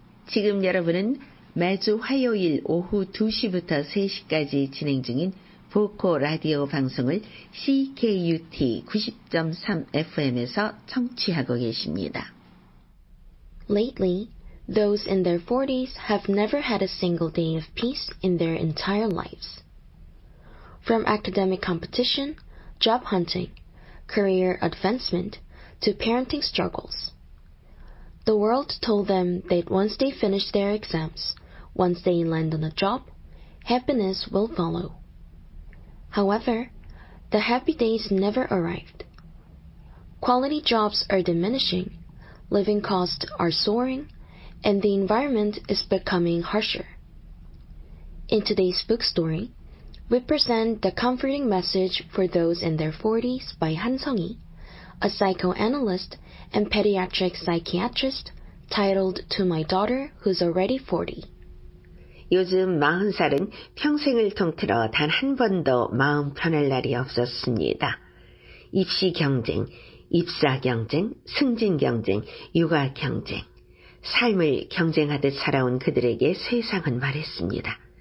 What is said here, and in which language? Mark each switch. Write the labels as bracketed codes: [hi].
[ko] 지금 여러분은 매주 화요일 오후 2시부터 3시까지 진행 중인 보코 라디오 방송을 CKUT 90.3 FM에서 청취하고 계십니다. [en] Lately, those in their 40s have never had a single day of peace in their entire lives. From academic competition, job hunting, career advancement, to parenting struggles. The world told them that once they finish their exams, once they land on a job, happiness will follow. However, the happy days never arrived. Quality jobs are diminishing, living costs are soaring, and the environment is becoming harsher. In today's book story, we present the comforting message for those in their 40s by Han Seong-hee, a psychoanalyst and pediatric psychiatrist titled To My Daughter Who's Already 40. [ko] 요즘 40살은 평생을 통틀어 단 한 번도 마음 편할 날이 없었습니다. 입시 경쟁, 입사 경쟁, 승진 경쟁, 육아 경쟁, 삶을 경쟁하듯 살아온 그들에게 세상은 말했습니다.